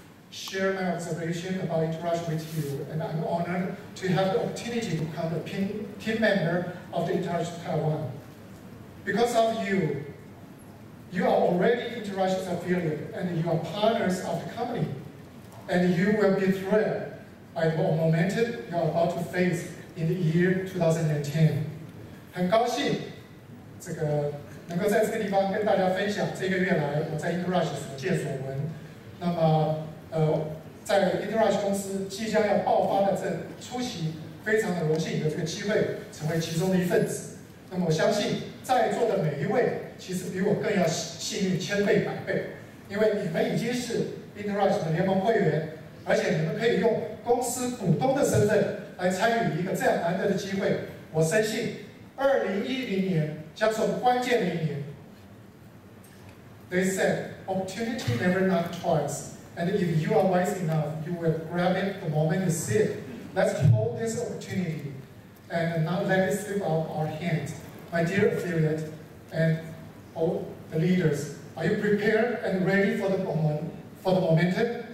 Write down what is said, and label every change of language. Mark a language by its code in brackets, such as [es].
[en] share my observation about Interrush with you, and I'm honored to have the opportunity to become a team member of the Interrush Taiwan. Because of you, you are already Interrush's affiliate, and you are partners of the company, and you will be thrilled by the momentum you are about to face in the year 2010. [zh] 很高兴，这个。能够在这个地方跟大家分享这个月来我在 Interrush 所见所闻，那么在 Interrush 公司即将要爆发的这初期，非常的荣幸有这个机会成为其中的一份子。那么我相信在座的每一位其实比我更要幸运千倍百倍，因为你们已经是 Interrush 的联盟会员，而且你们可以用公司股东的身份来参与一个这样难得的机会。我深信，2010年将是关键的一年。 [en] They said, opportunity never knocks twice, and if you are wise enough, you will grab it the moment you see it. Let's hold this opportunity and not let it slip out of our hands. My dear affiliate and all the leaders, are you prepared and ready for the moment?